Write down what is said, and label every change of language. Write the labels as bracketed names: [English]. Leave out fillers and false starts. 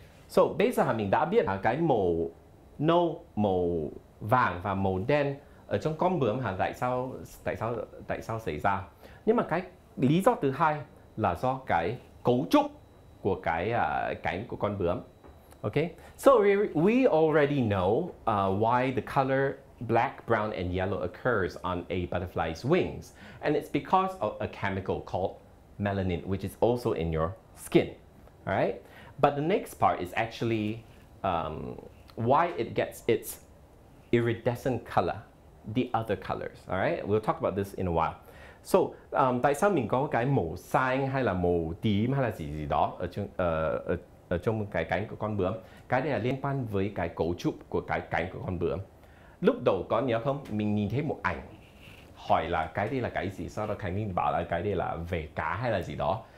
[Vietnamese] So bây giờ mình đã biết là cái màu nâu, màu vàng và màu đen ở trong con bướm hả, tại sao xảy ra. Nhưng mà cái lý do thứ hai là do cái cấu trúc của cái cánh của con bướm. [English] Ok, so we already know why the color black, brown and yellow occurs on a butterfly's wings, and it's because of a chemical called melanin, which is also in your skin. All right, but the next part is actually why it gets its iridescent color, the other colors, all right? We'll talk about this in a while. [Vietnamese] So, tại sao mình có cái màu xanh hay là màu tím hay là gì gì đó ở trong cái cánh của con bướm? Cái này là liên quan với cái cấu trúc của cái cánh của con bướm. Lúc đầu có nhớ không? Mình nhìn thấy một ảnh hỏi là cái đây là cái gì? Sau đó Khánh Linh bảo là cái đây là vảy cá hay là gì đó?